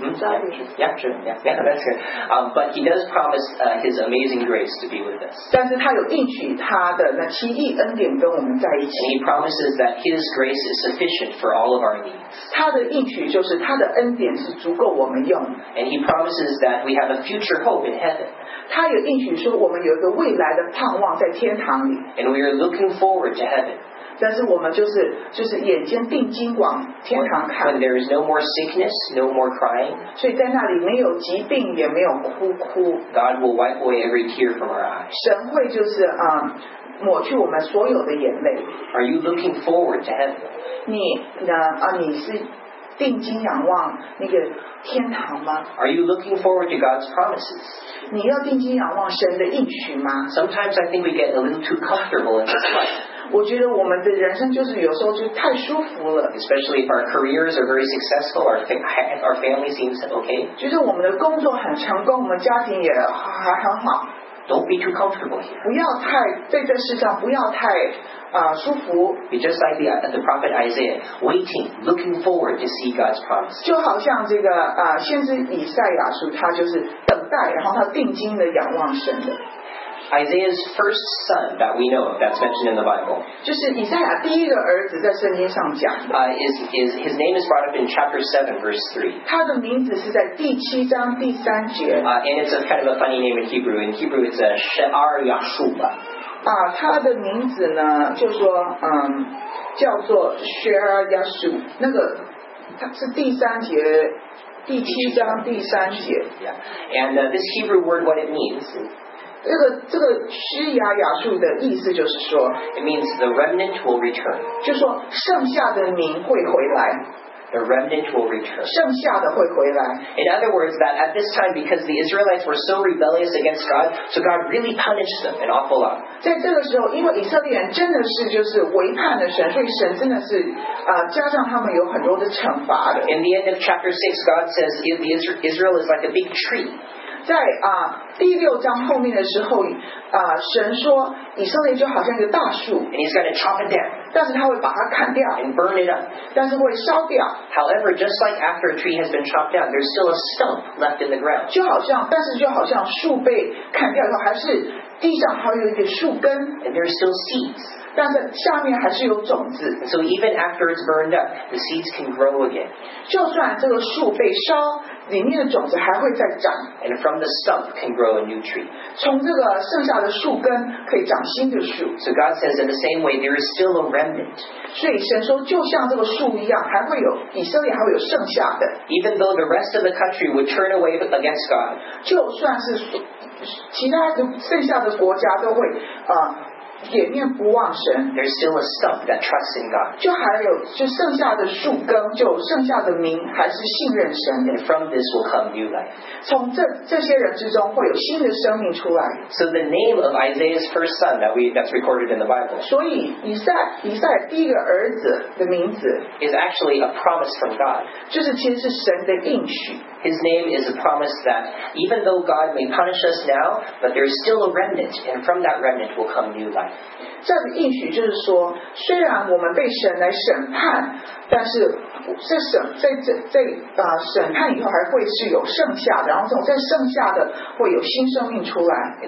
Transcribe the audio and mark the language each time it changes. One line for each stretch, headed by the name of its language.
English: But he does promise his amazing grace to be with us.
Chinese: 但是他有应许他的那奇异恩典跟我们在一起。
English: And he promises that his grace is sufficient for all of our needs.
Chinese: 他的应许就是他的恩典。
English: And he promises that we have a future hope in heaven.
Chinese: 他也应许说我们有一个未来的盼望在天堂里。
English: And we are looking forward to heaven.
Chinese: 但是我们就是眼睛定睛往天堂看。
English: When there is no more sickness, no more crying.
Chinese: 所以在那里没有疾病，也没有哭。
English: God will wipe away every tear from our eyes.
Chinese: 神会就是抹去我们所有的眼泪。
English: Are you looking forward to heaven?
Chinese: 你是。定睛仰望那个天堂吗?
English: Are you looking forward to God's promises?
Chinese: 你要定睛仰望神的应许吗?
English: Sometimes I think we get a little too comfortable in this life.
Chinese: 我觉得我们的人生就是有时候就太舒服了。
English: Especially if our careers are very successful, our family seems okay.
Chinese: 觉得我们的工作很成功，我们家庭也还很好。
English: Don't be too comfortable here.
Chinese: 不要太在这世上不要太舒服。
English: Be just like the prophet Isaiah, waiting, looking forward to see God's promise.
Chinese: 就好像这个先知以赛亚书，他就是等待，然后他定睛的仰望神的。
English: Isaiah's first son that we know of that's mentioned in the Bible.
Chinese: 就是以赛亚第一个儿子在圣经上讲的。
English: His name is brought up in chapter 7, verse 3.
Chinese: 他的名字是在第七章第三节。
English: And it's a kind of a funny name in Hebrew. In Hebrew, it's Shear Yashub.
Chinese: 啊，他的名字呢，就说嗯，叫做 Shera Yasu， 那个他是第三节。第七章第三节。
English: Yeah. And this Hebrew word, what it means?
Chinese: 这个施雅雅述的意思就是说
English: ，It means the remnant will return.
Chinese: 就说剩下的民会回来。
English: The remnant will return.
Chinese: 剩下的会回来。
English: In other words, that at this time, because the Israelites were so rebellious against God, so God really punished them an awful lot.
Chinese: 在这个时候，因为以色列人真的是就是违叛了神，所以神真的是加上他们有很多的惩罚的。
English: In the end of chapter 6, God says Israel is like a big tree.
Chinese: 在第六章后面的时候，神说以色列就好像一个大树。
English: And he's going to chop it down.
Chinese: 但是他会把它砍掉
English: and burn it up.
Chinese: 但是会烧掉
English: However, just like after a tree has been chopped down, there's still a stump left in the ground.
Chinese: 就好像，但是就好像树被砍掉以后，还是地上还有一点树根
English: and there's still seeds.
Chinese: 但是下面还是有种子
English: So even after it's burned up, the seeds can grow again.
Chinese: 就算这个树被烧，里面的种子还会再长
English: and from the stump can grow a new tree.
Chinese: 从这个剩下的树根可以长新的树
English: So God says in the same way, there is still a
Chinese: 所以神说，就像这个树一样，还会有以色列还会有剩下的。
English: Even though the rest of the country would turn away against God，
Chinese: 就算是其他的剩下的国家都会掩面不忘神。
English: There's still a stump that trusts in God，
Chinese: 就还有就剩下的树根，就剩下的民还是信任神。
English: And from this will come new life，
Chinese: 从这些人之中会有新的生命出来。
English: So the name of Isaiah's first son that's recorded in the Bible，
Chinese: 所以以赛第一个儿子的名字
English: is actually a promise from God，
Chinese: 就是其实是神的应许。
English: His name is a promise that even though God may punish us now, but there's still a remnant, and from that remnant will come new life.
Chinese: 这个应许就是说，虽然我们被神来审判，但是在审在这在啊审判以后还会是有剩下的，然后总在剩下的会有新生命出来。